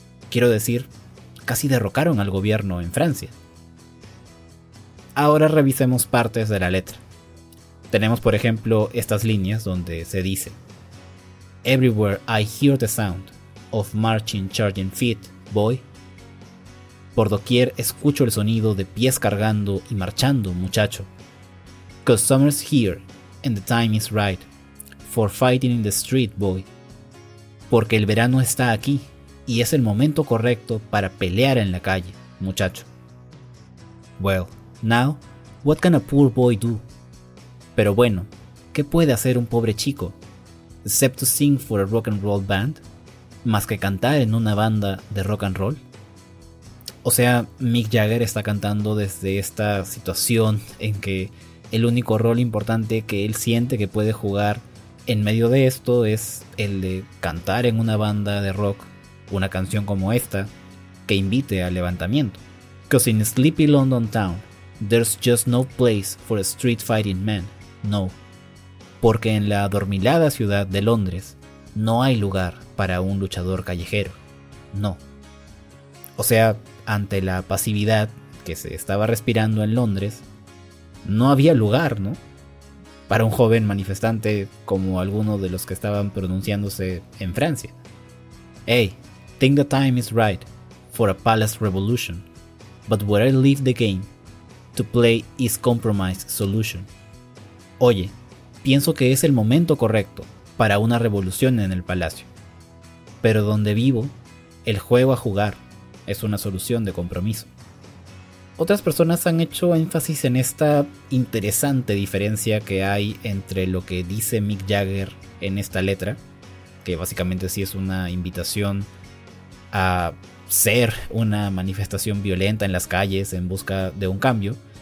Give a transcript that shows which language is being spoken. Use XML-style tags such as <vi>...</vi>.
<es>Quiero decir, casi derrocaron al gobierno en Francia. Ahora revisemos partes de la letra. Tenemos, por ejemplo, estas líneas donde se dice:</es> <en>Everywhere I hear the sound of marching charging feet, boy.</en> <es>Por doquier escucho el sonido de pies cargando y marchando, muchacho.</es> <en>'Cause summer's here and the time is right for fighting in the street, boy.</en> <es>Porque el verano está aquí y es el momento correcto para pelear en la calle, muchacho.</es> <en>Well, now, what can a poor boy do?</en> <es>Pero bueno, ¿qué puede hacer un pobre chico?</es> <en>Except to sing for a rock and roll band,</en> <es>más que cantar en una banda de rock and roll. O sea, Mick Jagger está cantando desde esta situación en que el único rol importante que él siente que puede jugar en medio de esto es el de cantar en una banda de rock una canción como esta que invite al levantamiento.</es> <en>'Cause in a sleepy London town, there's just no place for a street fighting man, no.</en> <es>Porque en la adormilada ciudad de Londres no hay lugar para un luchador callejero, no. O sea, ante la pasividad que se estaba respirando en Londres, no había lugar, ¿no?, para un joven manifestante como alguno de los que estaban pronunciándose en Francia. Hey,</es> <en>think the time is right for a palace revolution, but where I leave the game, to play is compromise solution.</en> <es>Oye, pienso que es el momento correcto para una revolución en el palacio, pero donde vivo, el juego a jugar es una solución de compromiso. Otras personas han hecho énfasis en esta interesante diferencia que hay entre lo que dice Mick Jagger en esta letra, que básicamente sí es una invitación a ser una manifestación violenta en las calles en busca de un cambio,</es>